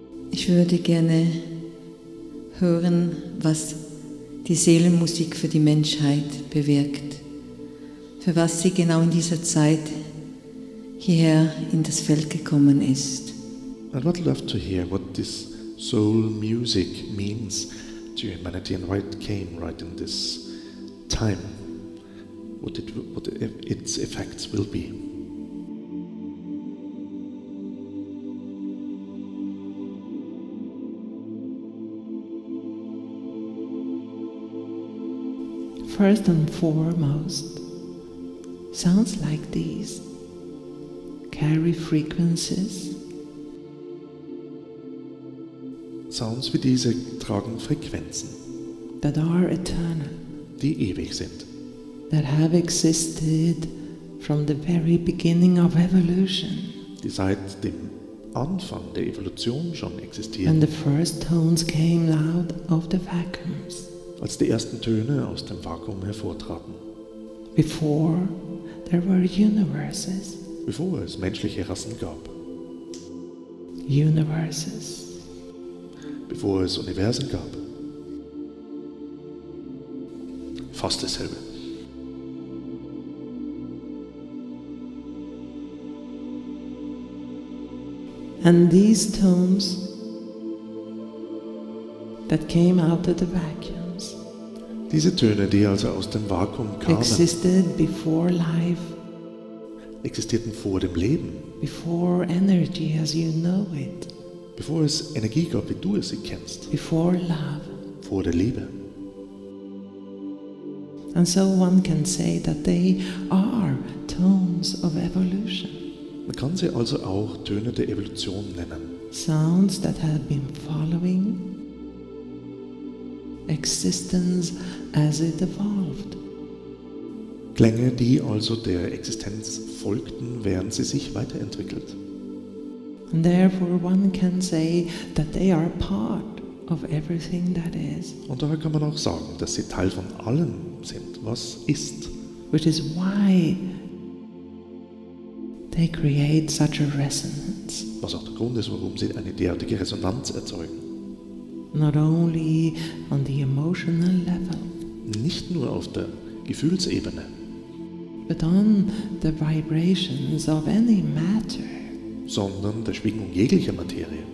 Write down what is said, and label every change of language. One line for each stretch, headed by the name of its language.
German: Ich würde gerne hören, was die Seelenmusik für die Menschheit bewirkt, für was sie genau in dieser Zeit hierher in das Feld gekommen ist.
English: I'd rather love to hear what this soul music means to humanity and why it came right in this time, what its effects will be. Thank you. first and foremost, sounds like these carry frequencies.
German: Sounds wie diese tragen Frequenzen.
English: That are eternal.
German: Die ewig sind.
English: That have existed from the very beginning of evolution.
German: Die seit dem Anfang der Evolution schon existieren.
English: And the first tones came out of the vacuums.
German: Als die ersten Töne aus dem Vakuum hervortraten.
English: Before there were universes.
German: Bevor es menschliche Rassen gab.
English: Universes.
German: Bevor es Universen gab. Fast dasselbe.
English: And these tones that came out of the vacuums.
German: Diese Töne, die also aus dem Vakuum kamen.
English: Existed before life.
German: Existierten vor dem Leben.
English: Before energy as you know it.
German: Bevor es Energie gab, wie du es kennst.
English: Before love.
German: Vor der Liebe.
English: And so one can say that they are tones of evolution.
German: Man kann sie also auch Töne der Evolution nennen.
English: Sounds that have been following existence as it evolved.
German: Klänge, die also der Existenz folgten, während sie sich weiterentwickelt.
English: And therefore one can say that they are part of everything that is.
German: Und daher kann man auch sagen, dass sie Teil von allem sind, was ist.
English: Which is why they create such a resonance.
German: Was auch der Grund ist, warum sie eine derartige Resonanz erzeugen.
English: Not only on the emotional level.
German: Nicht nur auf der Gefühlsebene.
English: But on the vibrations of any matter.
German: Sondern der Schwingung jeglicher Materie.